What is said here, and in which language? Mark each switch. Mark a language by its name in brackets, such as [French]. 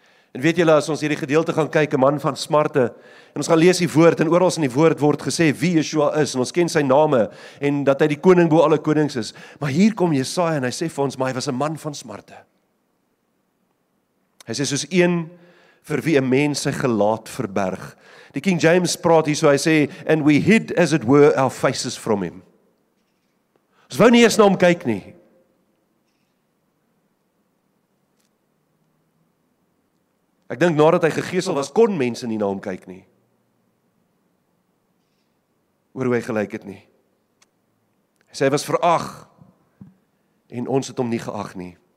[Afrikaans] En weet julle, as ons hierdie gedeelte gaan kyk, 'n man van smarte, en ons gaan lees die woord, en oral in die woord word gesê wie Yeshua is, en ons ken sy name, en dat hy die koning bo alle konings is. Maar hier kom Jesaja, en hy sê vir ons, maar hy was 'n man van smarte. Hy sê soos een vir wie 'n mens sy gelaat verberg. Die King James praat hier so, hy sê, [English] and we hid as it were our faces from him. [Afrikaans] Ons wou nie eers na hom kyk nie. Ek dink nadat hy gegeesel was, kon mense nie na hom kyk nie. Oor hoe hy gelyk het nie. Hy sê hy was verag en ons het hom nie geag nie.